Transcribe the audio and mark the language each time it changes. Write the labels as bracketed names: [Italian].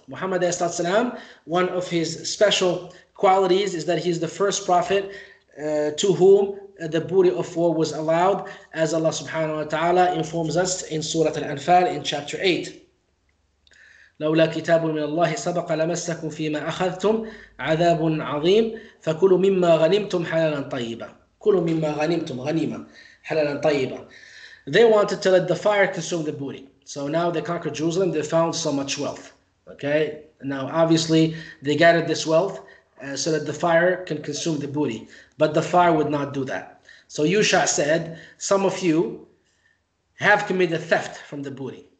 [English] Muhammad alayhi salatu wasalam, one of his special qualities is that he's the first prophet to whom the booty of war was allowed, as Allah subhanahu wa ta'ala informs us in Surah Al-Anfal in chapter 8. [Arabic] لَوْلَا كِتَابٌ مِنَ اللَّهِ سَبَقَ لَمَسَّكُمْ فِي مَا أَخَذْتُمْ عَذَابٌ عَظِيمٌ فَكُلُوا مِمَّا غَنِمْتُمْ حَلَالًا طَيِّبًا كُلُوا مِمَّا غَنِمْتُمْ غَنِيمًا حَلَالًا طَيِّبًا [English] They wanted to let the fire consume the booty. So now they conquered Jerusalem, they found so much wealth. Okay, now obviously they gathered this wealth so that the fire can consume the booty. But the fire would not do that. So Yusha said, some of you have committed theft from the booty.